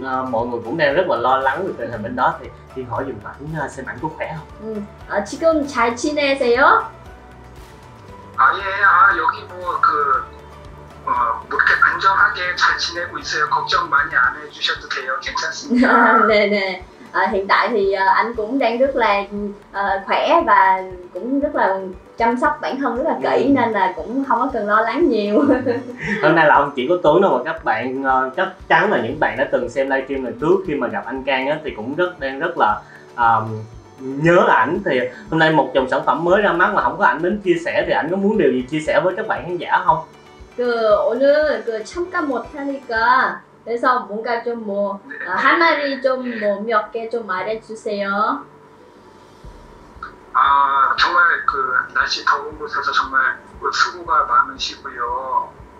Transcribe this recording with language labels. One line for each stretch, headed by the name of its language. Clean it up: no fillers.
Vietnamese: mọi người cũng đang rất là lo lắng về tình hình bên đó thì đi hỏi giùm ảnh xem ảnh có khỏe không.
Korean: 지금 잘 지내세요? 아, 예. 아, 여기 뭐 그 그렇게 안전하게 잘 지내고 있어요. 걱정 많이 안 해 주셔도 돼요. 괜찮습니다. 네네.
Vietnamese: Hiện tại thì anh cũng đang rất là khỏe và cũng rất là chăm sóc bản thân rất là kỹ nên là cũng không có cần lo lắng nhiều. Hôm nay là không chỉ có Tuấn đâu mà các bạn chắc chắn là những bạn đã từng xem livestream lần trước khi mà gặp anh Cang thì cũng đang rất là nhớ ảnh. Thì hôm nay một dòng sản phẩm mới ra mắt mà không có ảnh đến chia sẻ thì ảnh có muốn điều gì chia sẻ với các bạn khán giả không?
Korean: 그 오늘 그 참가 못하니까 그래서 뭔가 좀 뭐 한 마리 좀 뭐 몇 개 좀 말해 주세요. 아 정말 그 날씨 더운 곳에서 정말 수고가 많으시고요.